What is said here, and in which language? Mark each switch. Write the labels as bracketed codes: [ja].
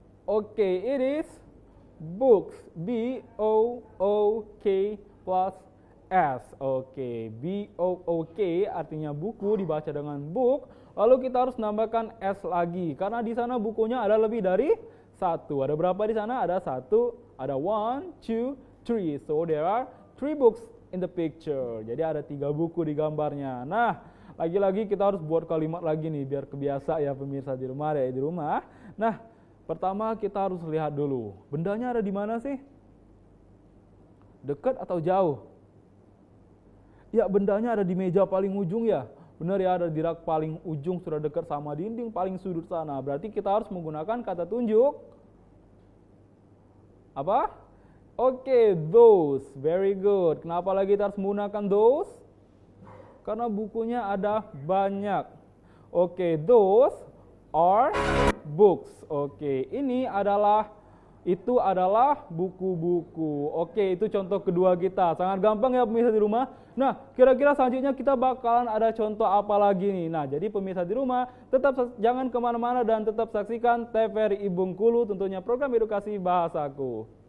[en] Oke, okay, it is books. B O O K plus S. Oke, okay. [id] B O O K artinya buku, dibaca dengan book. Lalu kita harus nambahkan S lagi, karena di sana bukunya ada lebih dari satu. Ada berapa di sana? Ada satu, ada 1, 2, 3. [en] So there are 3 books in the picture. [id] Jadi ada 3 buku di gambarnya. Nah, lagi-lagi kita harus buat kalimat lagi nih, biar kebiasa ya pemirsa di rumah, ya di rumah. Nah, pertama kita harus lihat dulu, bendanya ada di mana sih? Dekat atau jauh? Ya, bendanya ada di meja paling ujung ya. Benar ya, ada di rak paling ujung, sudah dekat sama dinding paling sudut sana. Berarti kita harus menggunakan kata tunjuk. Apa? [en] Oke, okay, those. Very good. [id] Kenapa lagi kita harus menggunakan those? Karena bukunya ada banyak. [en] Oke, okay, those are books. [id] Oke, okay, ini adalah, itu adalah buku-buku. Oke, itu contoh kedua kita. Sangat gampang ya pemirsa di rumah. Nah, kira-kira selanjutnya kita bakalan ada contoh apa lagi nih? Nah, jadi pemirsa di rumah, tetap jangan kemana-mana dan tetap saksikan TVRI Bengkulu, tentunya program edukasi bahasaku.